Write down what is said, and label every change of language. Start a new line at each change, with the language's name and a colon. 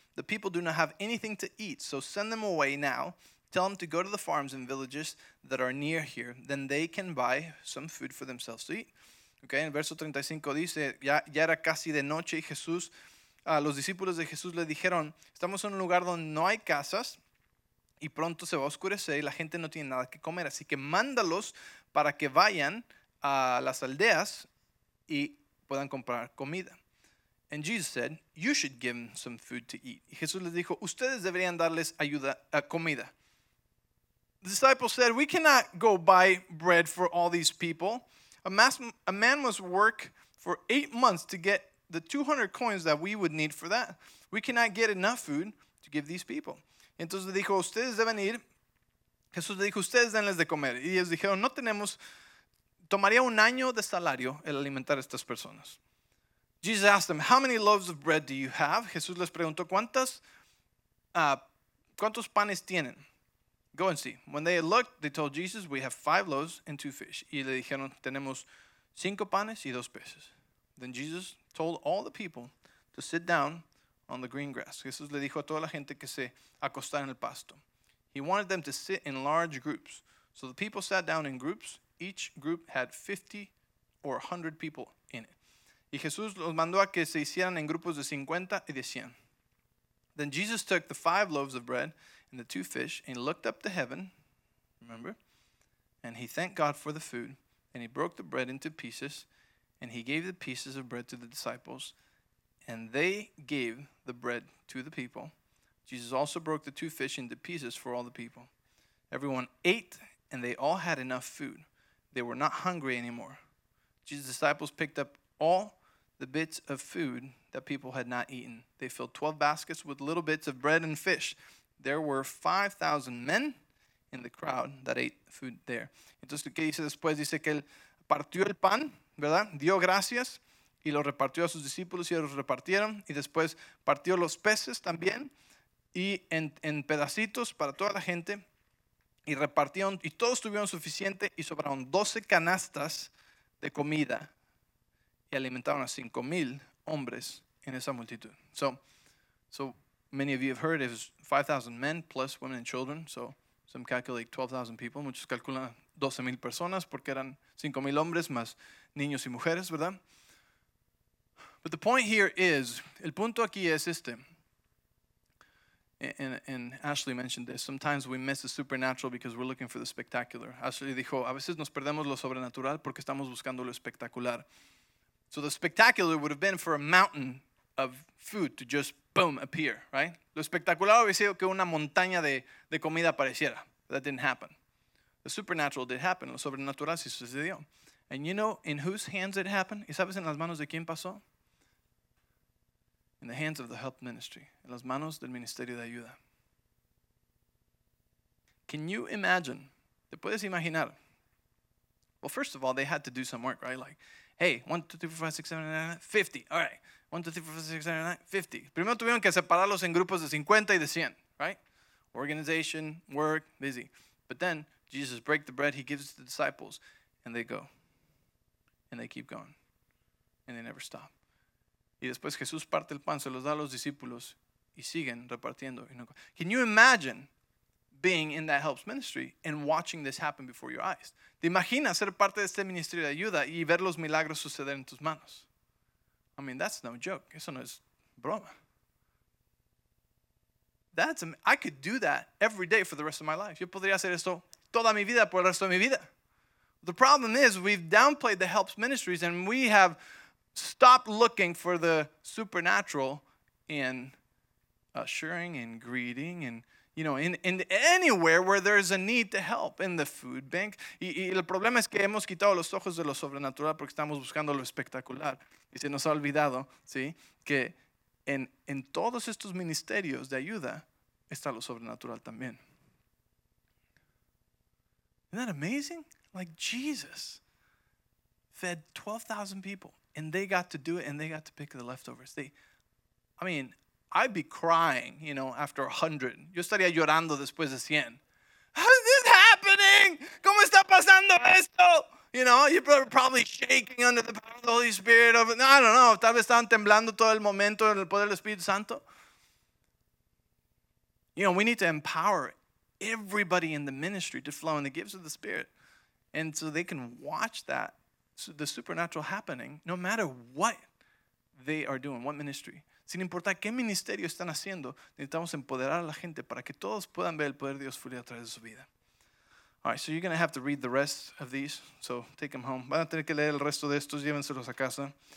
English: The people do not have anything to eat, so send them away now. Tell them to go to the farms and villages that are near here. Then they can buy some food for themselves to eat.
Spanish: Okay, en verso 35 dice, ya era casi de noche y Jesús, los discípulos de Jesús le dijeron, estamos en un lugar donde no hay casas y pronto se va a oscurecer y la gente no tiene nada que comer. Así que mándalos para que vayan a las aldeas y puedan comprar comida.
English: And Jesus said, you should give them some food to eat.
Spanish: Y Jesús les dijo, ustedes deberían darles ayuda a comida.
English: The disciples said, we cannot go buy bread for all these people. A man must work for 8 months to get the 200 coins that we would need for that. We cannot get enough food to give these people.
Spanish: Y entonces dijo, ustedes deben ir. Jesús les dijo, ustedes denles de comer. Y ellos dijeron, no tenemos. Tomaría un año de salario el alimentar a estas personas.
English: Jesus asked them, how many loaves of bread do you have?
Spanish: Jesús les preguntó, ¿cuántos panes tienen?
English: Go and see. When they looked, they told Jesus, we have 5 loaves and 2 fish.
Spanish: Y le dijeron, tenemos 5 panes y 2 peces.
English: Then Jesus told all the people to sit down on the green grass.
Spanish: Jesús le dijo a toda la gente que se acostara en el pasto.
English: He wanted them to sit in large groups. So the people sat down in groups. Each group had 50 or 100 people in it.
Spanish: Y Jesús los mandó a que se hicieran en grupos de 50 y de 100.
English: Then Jesus took the 5 loaves of bread and the 2 fish and looked up to heaven, remember? And he thanked God for the food and he broke the bread into pieces and he gave the pieces of bread to the disciples and they gave the bread to the people. Jesus also broke the 2 fish into pieces for all the people. Everyone ate and they all had enough food. They were not hungry anymore. Jesus' disciples picked up all the bits of food that people had not eaten. They filled 12 baskets with little bits of bread and fish. There were 5,000 men in the crowd that ate food there.
Spanish: Entonces, ¿qué dice después? Dice que él partió el pan, ¿verdad? Dio gracias y lo repartió a sus discípulos y ellos lo repartieron. Y después partió los peces también y en pedacitos para toda la gente. Y repartieron, y todos tuvieron suficiente y sobraron 12 canastas de comida. Y alimentaron a 5,000 hombres en esa multitud.
English: So many of you have heard it was 5,000 men plus women and children. So some calculate 12,000 people.
Spanish: Muchos calculan 12,000 personas porque eran 5,000 hombres más niños y mujeres, ¿verdad?
English: But the point here is,
Spanish: el punto aquí es este.
English: And Ashley mentioned this. Sometimes we miss the supernatural because we're looking for the spectacular.
Spanish: Ashley dijo, a veces nos perdemos lo sobrenatural porque estamos buscando lo espectacular.
English: So the spectacular would have been for a mountain of food to just, boom, appear, right?
Spanish: Lo espectacular hubiese sido que una montaña de comida apareciera.
English: That didn't happen. The supernatural did happen.
Spanish: Lo sobrenatural sí sucedió.
English: And you know in whose hands it happened?
Spanish: ¿Y sabes en las manos de quién pasó?
English: In the hands of the health ministry.
Spanish: En las manos del Ministerio de Ayuda.
English: Can you imagine?
Spanish: ¿Te puedes imaginar?
English: Well, first of all, they had to do some work, right? Like, hey, 1, 2, 3, 4, 5, 6, 7, 8, 9, 50. All right. 1, 2, 3, 4, 5, 6, 7, 8, 9, 50.
Spanish: Primero tuvieron que separarlos en grupos de 50 y de 100, right?
English: Organization, work, busy. But then Jesus break the bread, he gives it to the disciples, and they go. And they keep going. And they never stop.
Spanish: Y después Jesús parte el pan, se los da a los discípulos y siguen repartiendo.
English: Can you imagine being in that helps ministry and watching this happen before your eyes?
Spanish: ¿Te imaginas ser parte de este ministerio de ayuda y ver los milagros suceder en tus manos?
English: I mean, that's no joke.
Spanish: Eso no es broma.
English: I could do that every day for the rest of my life.
Spanish: Yo podría hacer esto toda mi vida por el resto de mi vida.
English: The problem is we've downplayed the helps ministries and we have stop looking for the supernatural in ushering and greeting and, you know, in anywhere where there's a need to help in the food bank.
Spanish: Y el problema es que hemos quitado los ojos de lo sobrenatural porque estamos buscando lo espectacular. Y se nos ha olvidado, ¿sí? Que en todos estos ministerios de ayuda está lo sobrenatural también.
English: Isn't that amazing? Like Jesus fed 12,000 people. And they got to do it, and they got to pick the leftovers. I'd be crying, you know, after 100.
Spanish: Yo estaría llorando después de 100.
English: How is this happening?
Spanish: ¿Cómo está pasando esto?
English: You know, you're probably shaking under the power of the Holy Spirit. I don't know.
Spanish: Tal vez estaban temblando todo el momento en el poder del Espíritu Santo.
English: You know, we need to empower everybody in the ministry to flow in the gifts of the Spirit. And so they can watch that. So the supernatural happening, no matter what they are doing, what ministry.
Spanish: Sin importar qué ministerio están haciendo, necesitamos empoderar a la gente para que todos puedan ver el poder de Dios fluir a través de su vida.
English: All right, so you're going to have to read the rest of these, so take them home.
Spanish: Van a tener que leer el resto de estos, llévenselos a casa.